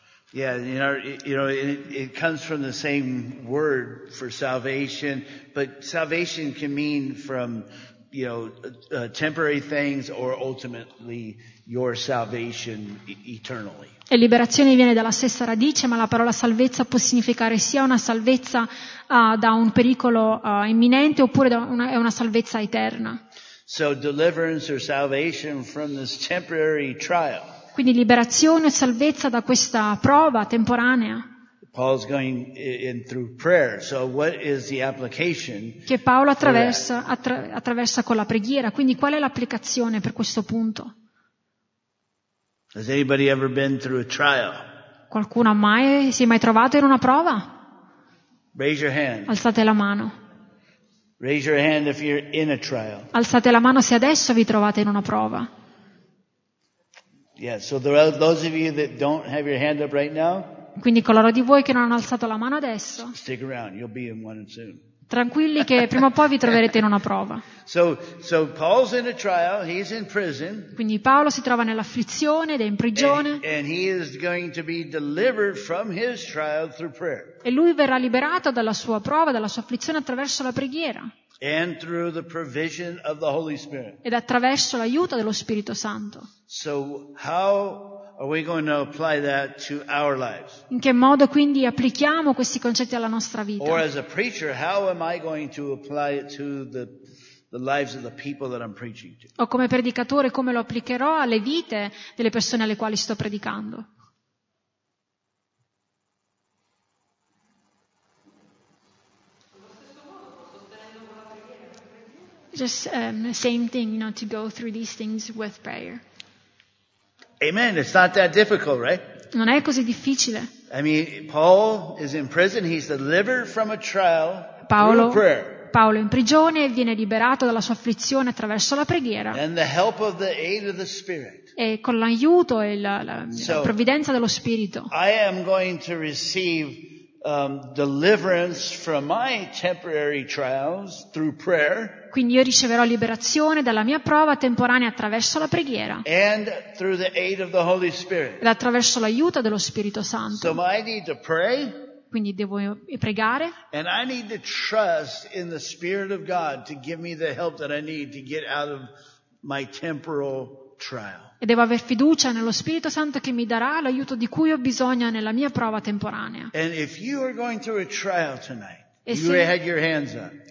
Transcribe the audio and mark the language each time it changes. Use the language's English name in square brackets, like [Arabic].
[English] Yeah, you know, it comes from the same word for salvation, but salvation can mean from, you know, temporary things or ultimately your salvation eternally. [Italian] E liberazione viene dalla stessa radice, ma la parola salvezza può significare sia una salvezza da un pericolo imminente oppure è una salvezza eterna. [English] So deliverance or salvation from this temporary trial. [Italian] Quindi liberazione o salvezza da questa prova temporanea. [English] Paul's going in through prayer. So what is the application? [Italian] Che Paolo attraversa con la preghiera. Quindi qual è l'applicazione per questo punto? [English] Has anybody ever been through a trial? [Italian] Qualcuno mai si è mai trovato in una prova? [English] Raise your hand. [Italian] Alzate la mano. [English] Raise your hand if you're in a trial. [Italian] Alzate la mano se adesso vi trovate in una prova. [English] Yeah, so there are those of you that don't have your hand up right now. [Italian] Quindi coloro di voi che non hanno alzato la mano adesso. [English] Stick around, you'll be in one soon. [Italian] Tranquilli che prima o poi vi troverete in una prova. [English] So Paul's in a trial, he's in prison. [Italian] Quindi Paolo si trova nell'afflizione ed è in prigione. [English] And he is going to be delivered from his trial through prayer. [Italian] E lui verrà liberato dalla sua prova, dalla sua afflizione attraverso la preghiera. [English] And through the provision of the Holy Spirit. [Italian] Ed attraverso l'aiuto dello Spirito Santo. [English] So how are we going to apply that to our lives? [Italian] In che modo quindi applichiamo questi concetti alla nostra vita? [English] Or as a preacher, how am I going to apply it to the lives of the people that I'm preaching to? [Italian] O come predicatore come lo applicherò alle vite delle persone alle quali sto predicando? [English] Just same thing, you know, to go through these things with prayer. Amen. It's not that difficult, right? [Italian] Non è così difficile. [English] I mean, Paul is in prison. He's delivered from a trial through prayer. [Italian] Paolo è in prigione e viene liberato dalla sua afflizione attraverso la preghiera. [English] And the help of the aid of the Spirit. [Italian] E con l'aiuto e la provvidenza dello Spirito. [English] I am going to receive deliverance from my temporary trials through prayer. [Italian] Quindi io riceverò liberazione dalla mia prova temporanea attraverso la preghiera. [English] And through the aid of the Holy Spirit. [Italian] Ed attraverso l'aiuto dello Spirito Santo. [English] So I need to pray. [Italian] Quindi devo pregare. [English] And I need to trust in the Spirit of God to give me the help that I need to get out of my temporal trial. [Italian] E devo aver fiducia nello Spirito Santo che mi darà l'aiuto di cui ho bisogno nella mia prova temporanea. [English] And if you are going through a trial tonight, you already had your hands up.